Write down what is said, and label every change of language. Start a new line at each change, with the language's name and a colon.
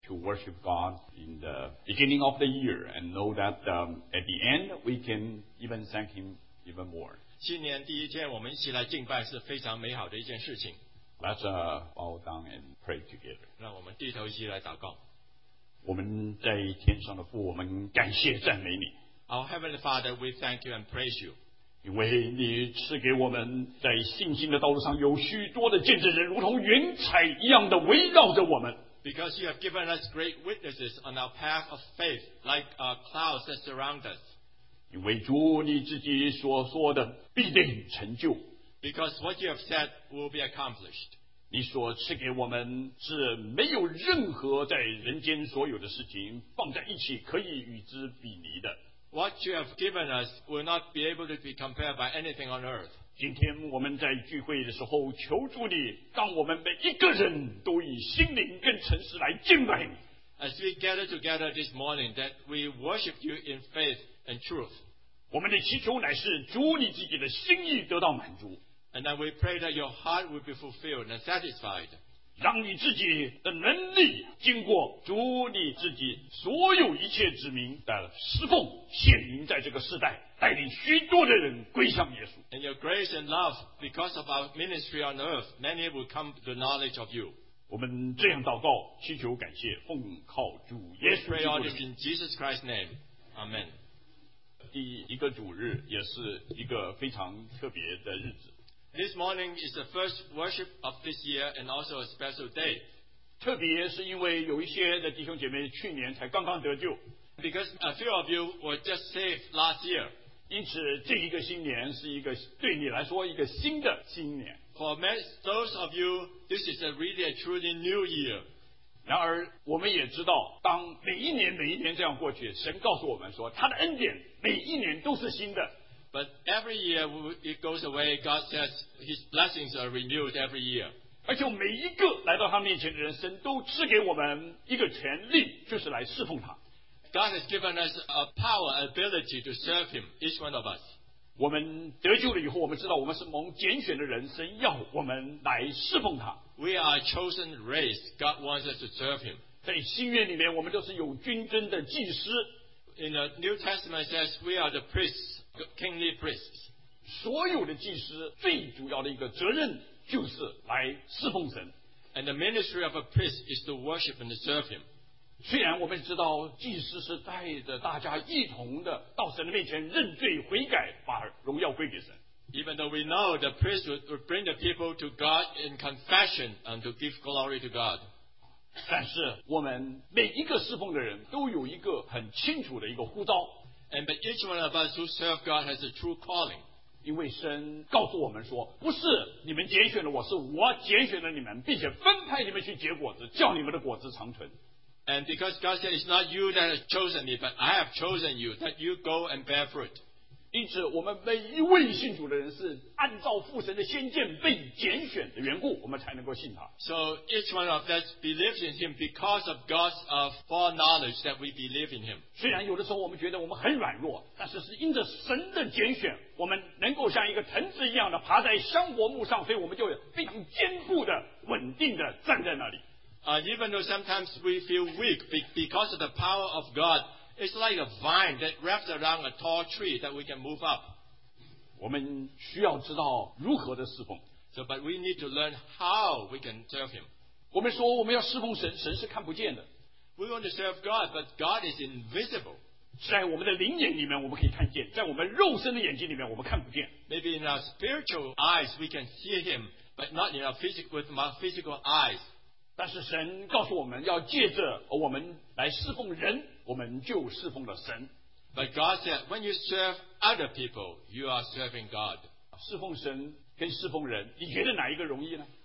English: worship God in the beginning of the year and know that at the end we can even thank Him even more.
Chinese: 新年第一天我们一起来敬拜是非常美好的一件事情。
English: Let's bow down and pray together.
Chinese: 让我们低头一起来祷告。我们在天上的父，我们感谢赞美你。
English: Our Heavenly Father, we thank you and praise you.
Chinese: 因为你赐给我们在信心的道路上有许多的见证人，如同云彩一样的围绕着我们。
English: Because you have given us great witnesses on our path of faith, like clouds that surround us.
Chinese: 因为主你自己所说的必定成就。
English: Because what you have said will be accomplished.
Chinese: 你所赐给我们是没有任何在人间所有的事情放在一起可以与之比拟的。
English: What you have given us will not be able to be compared by anything on earth.
Chinese: 今天我们在聚会的时候求助你，让我们每一个人都以心灵跟诚实来敬拜你。
English: As we gather together this morning, that we worship you in faith and truth.
Chinese: 我们的祈求乃是主你自己的心意得到满足。
English: And then we pray that your heart will be fulfilled and satisfied.
Chinese: 让你自己的能力经过主你自己所有一切子民的侍奉显明在这个世代，带领许多的人归向耶稣。
English: And your grace and love, because of our ministry on earth, many will come to the knowledge of you.
Chinese: 我们这样祷告祈求感谢奉靠主耶稣基督。
English: We pray all this in Jesus Christ's name. Amen.
Chinese: 第一个主日也是一个非常特别的日子。
English: This morning is the first worship of this year and also a special day.
Chinese: 特别是因为有一些的弟兄姐妹去年才刚刚得救。
English: Because a few of you were just saved last year.
Chinese: 因此这一个新年是一个对你来说一个新的新年。
English: For many, those of you, this is a really a truly new year.
Chinese: 然而我们也知道当每一年每一年这样过去，神告诉我们说他的恩典每一年都是新的。
English: But every year it goes away, God says His blessings are renewed every year.
Chinese: 而且每一个来到他面前的人，神都赐给我们一个权利，就是来侍奉他。
English: God has given us a power, ability to serve Him, each one of us.
Chinese: 我们得救了以后，我们知道我们是蒙拣选的人，神要我们来侍奉他。
English: We are a chosen race, God wants us to serve Him.
Chinese: 在新约里面，我们都是有君尊的祭司。
English: In the New Testament, it says we are the priests, kingly priests.
Chinese: 所有的祭司最主要的一个责任就是来侍奉神。
English: And the ministry of a priest is to worship and serve Him.
Chinese: 虽然我们知道祭司是带着大家一同的到神的面前认罪悔改，把荣耀归给神。
English: Even though we know the priest would bring the people to God in confession and to give glory to God.
Chinese: 但是我们每一个侍奉的人都有一个很清楚的一个呼召。
English: And but each one of us who serve God has a true calling.
Chinese: 因为神告诉我们说，不是你们拣选了我，是我拣选了你们，并且分派你们去结果子，叫你们的果子长存。
English: And because God said it's not you that has chosen me, but I have chosen you that you go and bear fruit.
Chinese: 因此我们每一位信主的人是按照父神的先见被拣选的缘故我们才能够信他。
English: So each one of us believes in him because of God's foreknowledge that we believe in him.
Chinese: 虽然有的时候我们觉得我们很软弱，但是是因着神的拣选，我们能够像一个藤子一样的爬在香柏木上，所以我们就非常坚固的稳定的站在那里。
English: Even though sometimes we feel weak because of the power of GodIt's like a vine that wraps around a tall tree that we can move up.
Chinese: 我们需要知道如何的侍奉。
English: So, but we need to learn how we can serve him.
Chinese: 我们说我们要侍奉神，神是看不见的。
English: We want to serve God, but God is invisible.
Chinese: 在我们的灵眼里面我们可以看见，在我们肉身的眼睛里面我们看不见。
English: Maybe in our spiritual eyes we can see him, but not in our physical eyes.
Chinese: 但是神告诉我们要借着我们来侍奉人，我们就侍奉了神。
English: But God said, when you serve other people, you are serving God.
Chinese: 侍奉神跟侍奉人，你觉得哪一个容易呢？